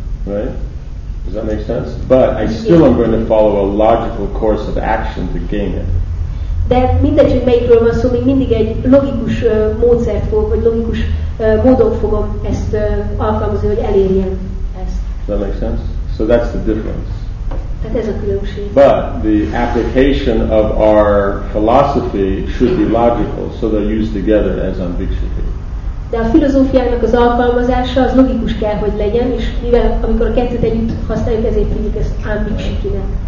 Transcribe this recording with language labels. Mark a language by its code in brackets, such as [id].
[en] Right? Does that make sense? But I still am going to follow a logical course of action to gain it. [hu] De mindegy, hogy melyikről van szó, még mindig egy logikus módszert fog, vagy logikus módon fogom ezt alkalmazni, hogy elérjem ezt. [en] Does that make sense? So that's the difference. [hu] Tehát ez a különbség. [en] But the application of our philosophy should be logical, so they're used together as ambiguity. [hu] De a filozófiának az alkalmazása az logikus kell, hogy legyen, és mivel amikor a kettőt együtt használjuk, ezért hívjuk ezt ambiguitynek.